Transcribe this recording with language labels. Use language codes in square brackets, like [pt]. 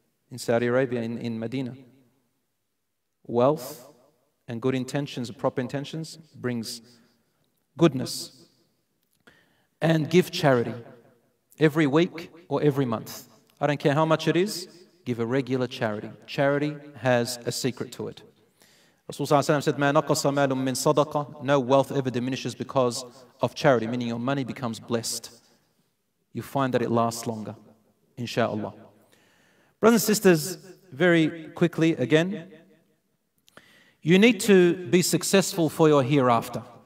[en] In Saudi Arabia, in Medina. Wealth and good intentions, proper intentions, brings goodness. And give charity every week or every month. I don't care how much it is, give a regular charity. Charity has a secret to it. Rasulullah said, [ar] مَا نَقَصَ مَالٌ مِّن صَدَقَةٍ. [en] No wealth ever diminishes because of charity, meaning your money becomes blessed. You find that it lasts longer, inshallah. Brothers and sisters, very quickly again, you need to be successful for your hereafter.